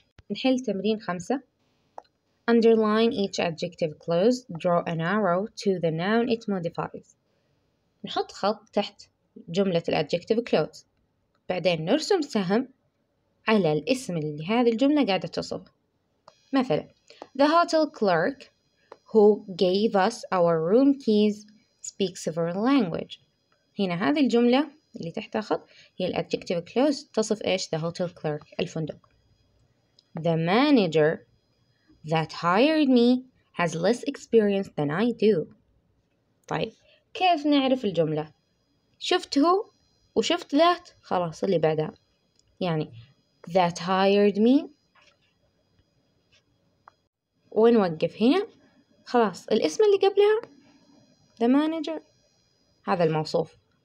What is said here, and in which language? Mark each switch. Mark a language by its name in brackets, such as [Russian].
[Arabic] نحل تمرين 5. [English] Underline each adjective clause. Draw an arrow to the noun it modifies. [Arabic] نحط خط تحت جملة الadjective clause، بعدين نرسم سهم على الاسم اللي هذه الجملة قاعدة تصف. [English] مثلا the hotel clerk who gave us our room keys speaks several language. [Arabic] هنا هذه الجملة اللي تحت خط هي الadjective clause تصف إيش؟ [English] the hotel clerk، [Arabic] الفندق. [English] the manager that hired me has less experience than I do. [Arabic] طيب كيف نعرف الجملة؟ شفته وشفت ذات، خلاص اللي بعدها. يعني [English] that hired me [Arabic] ونوقف هنا، خلاص الاسم اللي قبلها [English] the manager [Arabic] هذا الموصوف.